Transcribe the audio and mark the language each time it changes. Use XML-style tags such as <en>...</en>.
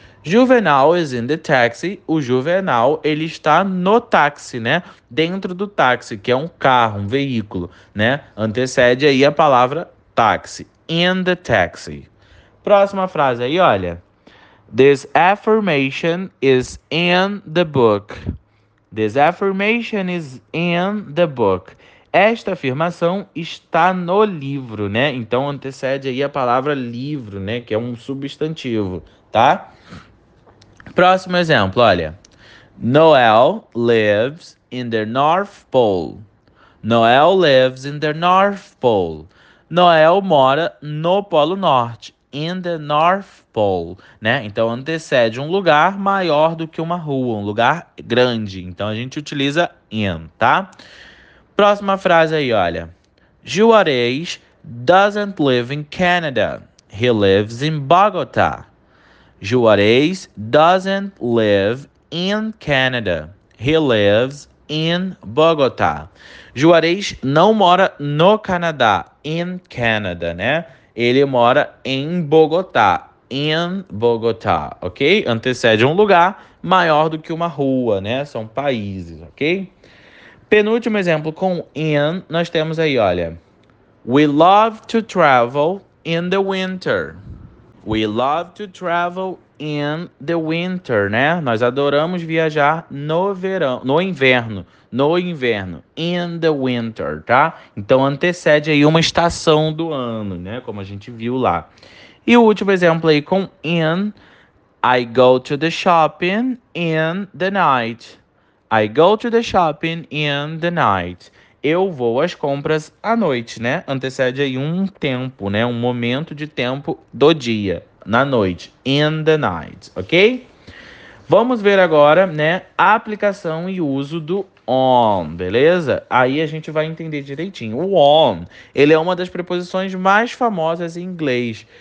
<en>Juvenal is in the taxi.</en> <pt>O Juvenal, ele está no táxi, né? Dentro do táxi, que é um carro, um veículo, né? Antecede aí a palavra táxi.</pt> <en>In the taxi.</en> <pt>Próxima frase aí, olha.</pt> <en>This affirmation is in the book. This affirmation is in the book.</en> <pt>Esta afirmação está no livro, né? Então antecede aí a palavra livro, né? Que é um substantivo, tá? Próximo exemplo, olha.</pt> <en>Noel lives in the North Pole. Noel lives in the North Pole.</en> <pt>Noel mora no Polo Norte.</pt> <en>In the North Pole,</en> <pt>né? Então antecede um lugar maior do que uma rua, um lugar grande. Então a gente utiliza in, tá? Próxima frase aí, olha.</pt> <en>Juarez doesn't live in Canada. He lives in Bogotá. Juarez doesn't live in Canada. He lives in Bogotá.</en> <pt>Juarez não mora no Canadá.</pt> <en>In Canada,</en> <pt>né? Ele mora em Bogotá.</pt> <en>In Bogotá,</en> <pt>ok? Antecede um lugar maior do que uma rua, né? São países, ok? Penúltimo exemplo com in, nós temos aí, olha.</pt> <en>We love to travel in the winter. We love to travel in the winter, né?</en> <pt>Nós adoramos viajar no verão, no inverno. No inverno,</pt> <en>in the winter,</en> <pt>tá? Então antecede aí uma estação do ano, né? Como a gente viu lá. E o último exemplo aí com in,</pt> <en>I go to the shopping in the night. I go to the shopping in the night.</en> <pt>Eu vou às compras à noite, né? Antecede aí um tempo, né? Um momento de tempo do dia, na noite,</pt> <en>in the night,</en> <pt>ok? Vamos ver agora, né, a aplicação e uso do on, beleza? Aí a gente vai entender direitinho. O on, ele é uma das preposições mais famosas em inglês.</pt>